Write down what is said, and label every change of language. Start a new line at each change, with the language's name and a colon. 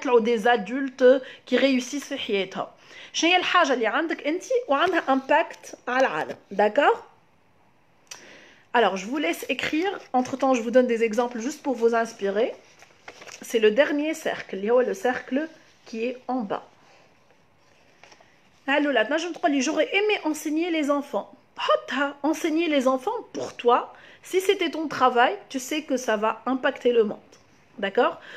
French: Des adultes qui réussissent.
Arabic: شنو هي الحاجه اللي عندك انت وعندها امباكت على العالم داكور.
French: Alors je vous laisse écrire, entre temps je vous donne des exemples juste pour vous inspirer. C'est le dernier cercle
Arabic: اللي هو
French: le cercle qui est en bas. Alors là je me trouve les j'aurais aimé enseigner les enfants. Hotta, enseigner les enfants pour toi, si c'était ton travail, tu sais que ça va impacter le monde. D'accord?